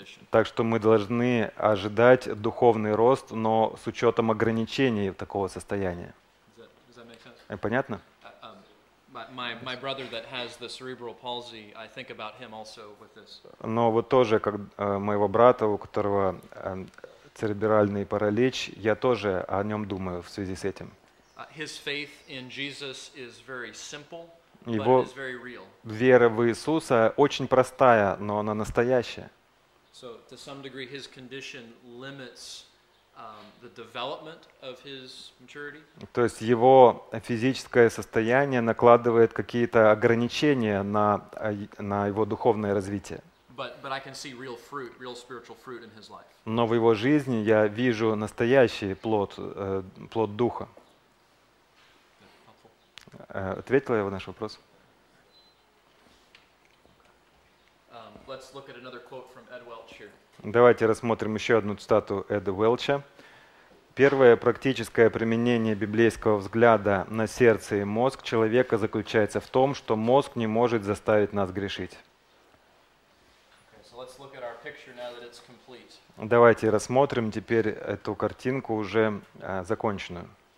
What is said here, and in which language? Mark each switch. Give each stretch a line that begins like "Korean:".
Russian: Так что мы должны ожидать духовный рост, но с учетом ограничений такого состояния. Понятно?
English: My brother that has the cerebral palsy, I think about him also with this.
Russian: Но вот тоже, как моего брата, у которого церебральный паралич, я тоже о нем думаю в связи с этим.
English: His faith in Jesus is very simple,
Russian: Его
English: but it is very real.
Russian: Вера в Иисуса очень простая, но она настоящая.
English: So to some degree his condition limits the development of his maturity.
Russian: То есть его физическое состояние накладывает какие-то ограничения на его духовное развитие.
English: But I can see real fruit, real spiritual fruit in his life.
Russian: Но в его жизни я вижу настоящий плод, плод духа. Ответила я на наш вопрос?
English: Let's look at another quote from Ed Welch here.
Russian: Давайте рассмотрим еще одну цитату Эда Уэлча. Первое практическое применение библейского взгляда на сердце и мозг человека заключается в том, что мозг не может заставить нас грешить.
English: Okay, so let's look at our picture now that it's complete.
Russian: Давайте рассмотрим теперь эту картинку уже законченную.